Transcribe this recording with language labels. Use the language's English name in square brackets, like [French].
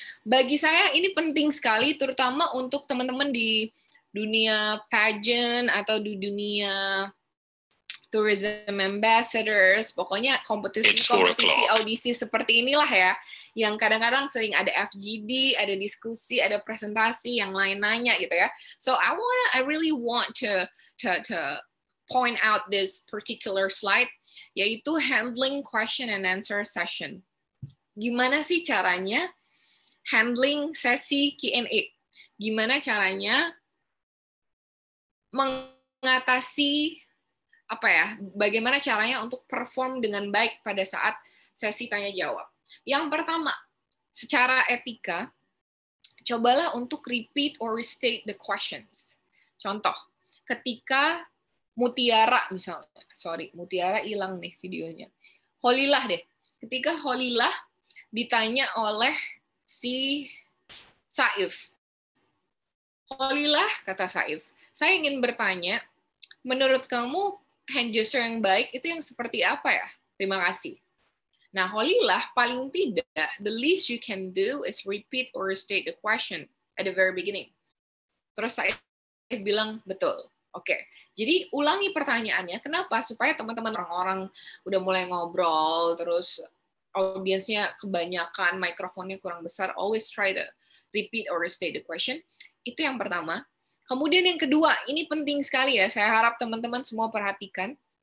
[Indonesian] Bagi saya ini penting sekali, terutama untuk teman-teman di dunia pageant atau di dunia tourism ambassadors, pokoknya kompetisi-kompetisi audisi seperti inilah ya, yang kadang-kadang sering ada FGD, ada diskusi, ada presentasi, yang lain nanya gitu ya. [English] So I really want to point out this particular slide, [Indonesian] yaitu [English] handling question and answer session. [Indonesian] Gimana sih caranya handling sesi Q&A? Gimana caranya mengatasi apa ya, bagaimana caranya untuk perform dengan baik pada saat sesi tanya jawab? Yang pertama, secara etika, cobalah untuk [English] repeat or restate the questions. [Indonesian] Contoh, ketika Mutiara misalnya, sorry, Mutiara hilang nih videonya. Holilah deh. Ketika Holilah ditanya oleh si Saif. Holilah, kata Saif, saya ingin bertanya, menurut kamu hand gesture yang baik itu yang seperti apa ya? Terima kasih. Nah, Holilah, paling tidak, [English] the least you can do is repeat or restate the question at the very beginning. [Indonesian] Terus Saif bilang, betul. Oke, jadi ulangi pertanyaannya. Kenapa? Supaya teman-teman orang-orang udah mulai ngobrol, terus audiensnya kebanyakan, mikrofonnya kurang besar, [English] always try to repeat or restate the question. [Indonesian] Itu yang pertama. Kemudian yang kedua, ini penting sekali ya, saya harap teman-teman semua perhatikan.